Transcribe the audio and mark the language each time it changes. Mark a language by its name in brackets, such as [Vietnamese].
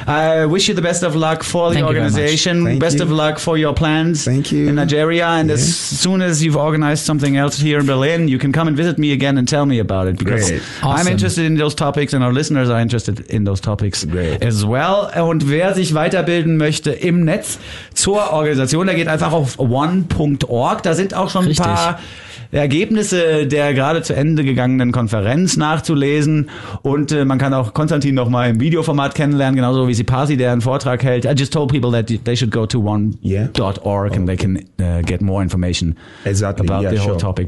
[English] I wish you the best of luck for the organization. Best of luck for your plans. Thank you. In Nigeria. And as soon as you've organized something else here in Berlin, you can come and visit me again and tell me about it. Great. Awesome. I'm interested in those topics and our listeners are interested in those topics as well. [German] Und wer sich weiterbilden möchte im Netz zur Organisation, der geht einfach auf one.org. Da sind auch schon ein paar Ergebnisse der gerade zu Ende gegangenen Konferenz nachzulesen. Und man kann auch Konstantin nochmal im Videoformat kennenlernen, genauso wie Sipasi, der einen Vortrag hält. [English] I just told people that they should go to one.org and they can get more information about the whole topic.